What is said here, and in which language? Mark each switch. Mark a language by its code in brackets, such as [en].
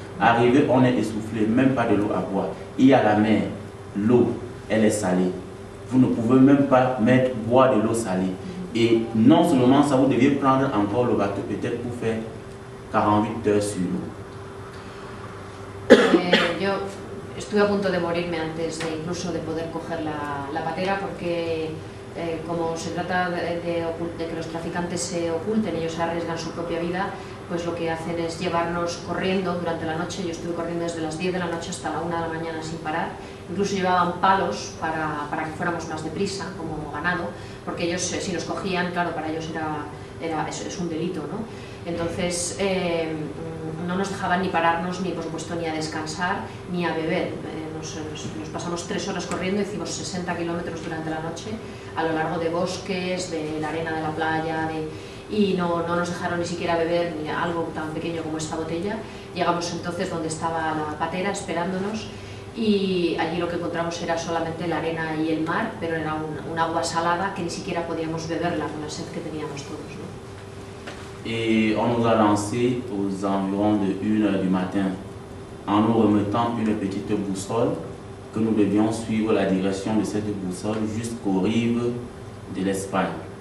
[fr] Arrivé, on est essoufflé, même pas de l'eau à boire. Il y a la mer, l'eau, elle est salée. Vous ne pouvez même pas boire de l'eau salée. Et non seulement ça, vous deviez prendre encore le bateau peut-être pour faire 48 heures sur l'eau. [es] Estuve a punto de morirme antes de incluso de poder coger la patera, porque como se trata de que los traficantes se oculten, ellos arriesgan su propia vida, pues lo que hacen es llevarnos corriendo durante la noche. Yo estuve corriendo desde las 10 de la noche hasta la 1 de la mañana sin parar. Incluso llevaban palos para que fuéramos más deprisa, como ganado, porque ellos si nos cogían, claro, para ellos es un delito, ¿no? Entonces, no nos dejaban ni pararnos, ni por supuesto ni a descansar, ni a beber. Nos pasamos 3 horas corriendo, hicimos 60 kilómetros durante la noche, a lo largo de bosques, de la arena de la playa, y no nos dejaron ni siquiera beber ni algo tan pequeño como esta botella. Llegamos entonces donde estaba la patera esperándonos, y allí lo que encontramos era solamente la arena y el mar, pero era un agua salada que ni siquiera podíamos beberla con la sed que teníamos todos, ¿no? [fr] Y on nous a lancé aux environs de 1h du matin, en nous remettant une petite boussole que nous devions suivre la direction de cette boussole jusqu'aux rives de l'Espagne.